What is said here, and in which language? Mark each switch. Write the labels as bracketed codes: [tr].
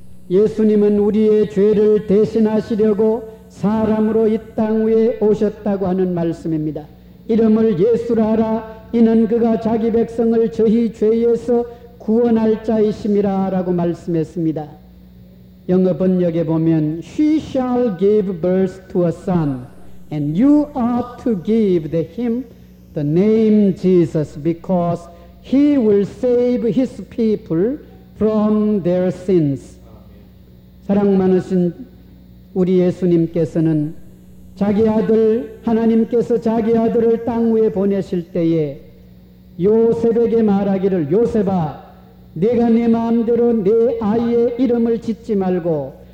[ko] 예수님은 우리의 죄를 대신하시려고 사람으로 이 땅 위에 오셨다고 하는 말씀입니다. 이름을 예수라 하라. 이는 그가 자기 백성을 저희 죄에서 구원할 자이심이라 라고 말씀했습니다. 영어 번역에 보면 [en] She shall give birth to a son and you are to give him the name Jesus because he will save his people from their sins. [ko] 사랑 많으신 우리 예수님께서는 자기 아들, 하나님께서 자기 아들을 땅 위에 보내실 때에 요셉에게 말하기를 요셉아 내가 내 마음대로 내 아이의 이름을 짓지 말고